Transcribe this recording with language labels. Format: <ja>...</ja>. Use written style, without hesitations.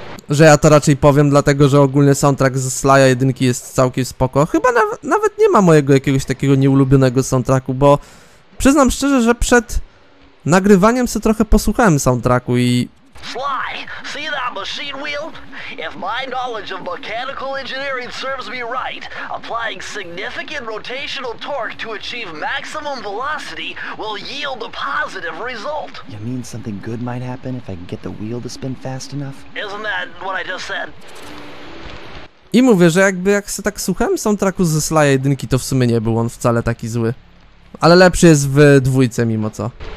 <pl>Że ja to raczej powiem, dlatego że ogólnie soundtrack z Sly'a jedynki jest całkiem spoko. Chyba nawet nie ma mojego jakiegoś takiego nieulubionego soundtracku, bo przyznam szczerze, że przed nagrywaniem sobie trochę posłuchałem soundtracku i...</pl> <en>Sly, see that machine wheel? If my knowledge of mechanical engineering serves me right, applying significant rotational torque to achieve maximum velocity will yield a positive result. You mean something good might happen if I can get the wheel to spin fast enough? Isn't that what I just said?</en> <pl>I mówię, że jakby jak se tak słuchałem soundtracku ze Sly'a jedynki, to w sumie nie był on wcale taki zły. Ale lepszy jest w dwójce mimo co.</pl>